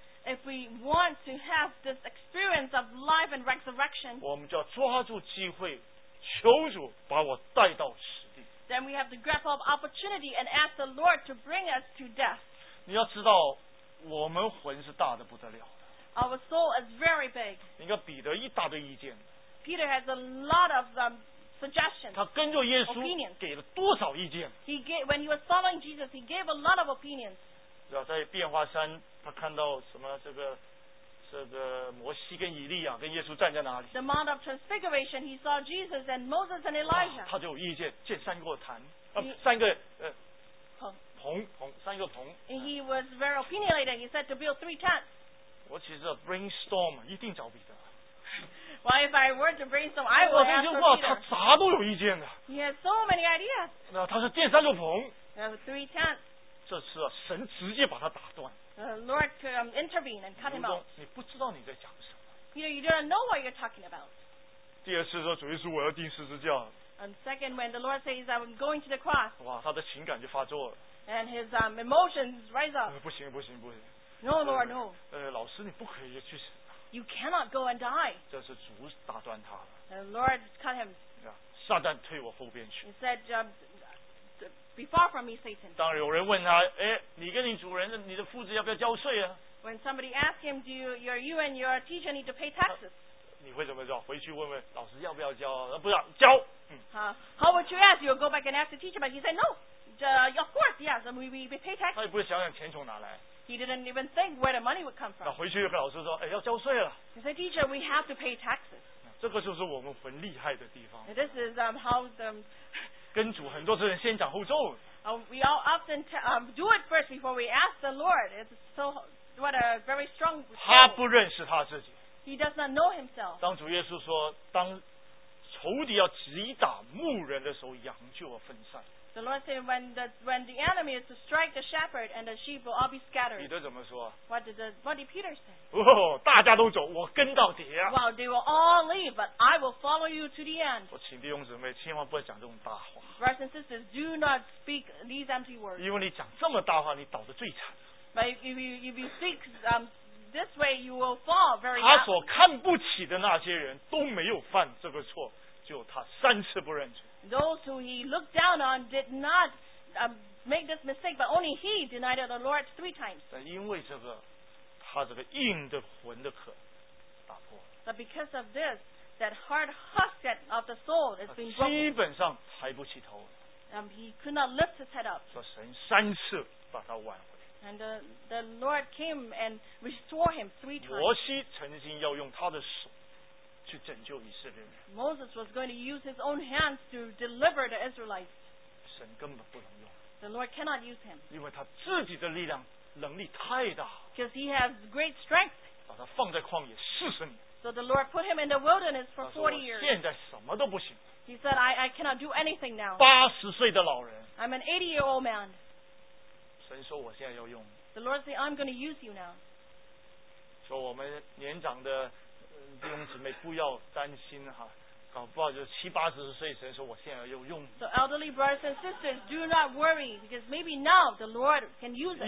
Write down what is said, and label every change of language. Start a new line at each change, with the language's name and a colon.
English: If we want to have this experience of life and resurrection.
Chinese: 我们就要抓住机会，求主把我带到死。
English: Then we have to grab up opportunity and ask the Lord to bring us to death.
Chinese: 你要知道，我们魂是大的不得了的。
English: Our soul is very big.
Chinese: 你看彼得一大堆意见。
English: Peter has a lot of suggestions.
Chinese: 他跟着耶稣给了多少意见
English: ？When he was following Jesus, he gave a lot of opinions.
Chinese: 在变化山，他看到什么这个摩西跟以利亚跟耶稣站在哪里
English: ？The Mount of Transfiguration, he saw Jesus and Moses and Elijah.
Chinese: 他就有意见，建三个坛，三个棚。
English: And he was very opinionated. He said to build three tents.
Chinese: 我其实 brainstorm 一定找彼得。
English: Well, if I were to brainstorm, I would ask Peter.
Chinese: 他啥都有意见的。
English: He has so many ideas.
Chinese: 那他是建三个棚。
English: Three tents.
Chinese: 这次啊，神直接把他打断。
English: Lord to intervene and cut him off.
Chinese: 你不知道你在讲什么。
English: Peter, you don't know what you're talking about.
Chinese: 第二次说，主耶稣，我要钉十字架。
English: And second, when the Lord says I'm going to the cross.
Chinese: 哇，他的情感就发作了。
English: And his emotions rise up.
Chinese: 不行。
English: No, Lord, no.
Chinese: 老师，你不可以去死。
English: You cannot go and die.
Chinese: 这是主打断他了。
English: The Lord cut him.
Chinese: 撒旦退我后边去。
English: He said, Be far from me, Satan.
Chinese: 当有人问他，你跟你主人的你的父子要不要交税啊
English: ？When somebody asks him, do you and your teacher need to pay taxes?
Chinese: 你会怎么做？回去问问老师要不要交？不要交。
English: How would you ask? You'll go back and ask the teacher, but he said no. Of course, yes, we pay taxes.
Chinese: 他也不会想想钱从哪来。
English: He didn't even think where the money would come from.
Chinese: 那回去又跟老师说，要交税了。
English: He said, teacher, we have to pay taxes.
Chinese: 这个就是我们很厉害的地方。
English: This is how the
Chinese: 跟主很多事情先斩后奏。
English: We all often do it first before we ask the Lord. It's so what a very strong.
Chinese: 他不认识他自己。
English: He does not know himself.
Chinese: 当主耶稣说，当仇敌要击打牧人的时候，羊就要分散。
English: The Lord said, when the enemy is to strike the shepherd and the sheep will all be scattered.
Chinese: 彼得怎么说
English: ？What did Peter say?
Chinese: 大家都走，我跟到底啊。
English: Well, they will all leave, but I will follow you to the end.
Chinese: 我请弟兄姊妹千万不要讲这种大话。
English: Brothers and sisters, do not speak these empty words.
Chinese: 因为你讲这么大话，你倒得最惨。
English: But if you speak this way, you will fall very badly.
Chinese: 他所看不起的那些人都没有犯这个错，就他三次不认罪。
English: Those who he looked down on did not make this mistake, but only he denied the Lord three times.
Chinese: 但因为这个，他这个硬的魂的壳打破。
English: But because of this, that hard husk of the soul is being broken.
Chinese: 基本上抬不起头。
English: He could not lift his head up.
Chinese: 说神三次把他挽回。
English: And the Lord came and restored him three times.
Chinese: 摩西曾经要用他的手。去拯救以色列人。
English: Moses was going to use his own hands to deliver the Israelites.
Chinese: 神根本不能用。
English: The Lord cannot use him.
Chinese: 因为他自己的力量能力太大。
English: Because he has great strength.
Chinese: 把他放在旷野40年。
English: So the Lord put him in the wilderness for 40 years.
Chinese: 现在什么都不行。
English: He said, I cannot do anything now.
Chinese: 80 岁的老人。
English: I'm an 80-year-old man.
Chinese: 神说我现在要用。
English: The Lord said, I'm going to use you now.
Chinese: 说我们年长的弟兄姊妹不要担心哈。搞不好就七八十岁，神说我现在要用。
English: So elderly brothers and sisters, do not worry, because maybe now the Lord can use it.